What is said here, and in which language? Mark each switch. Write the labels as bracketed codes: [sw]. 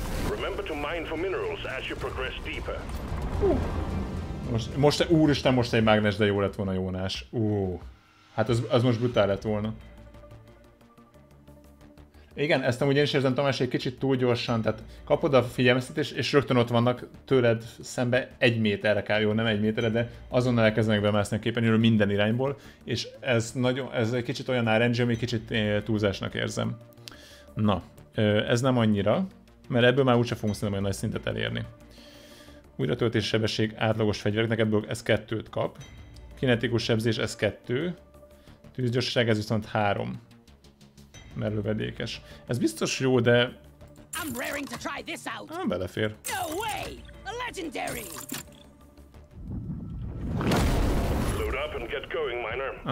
[en] Remember to mine for minerals as you progress deeper. [hu] Most úristen, most egy mágnes, de jó lett volna, Jónás. Hát az most brutál lett volna. Igen, ezt amúgy én is érzem, Tamás, egy kicsit túl gyorsan, tehát kapod a figyelmeztetést, és rögtön ott vannak tőled szembe egy méterre kell, jó, nem egy méterre, de azonnal elkezdenek bemászni a képernyőről minden irányból, és ez egy kicsit olyan RNG, ami kicsit túlzásnak érzem. Na, ez nem annyira, mert ebből már úgyse fogunk szerintem olyan nagy szintet elérni. Újratöltési sebesség átlagos fegyvereknek, ebből ez kettőt kap. Kinetikus sebzés, ez kettő. Tűzgyorsaság, ez viszont három. mert lövedékes. Ez biztos jó, de... [en] I'm raring to try this out. [hu] Nem belefér. [en] No way! A legendary! Load up and get going, Miner.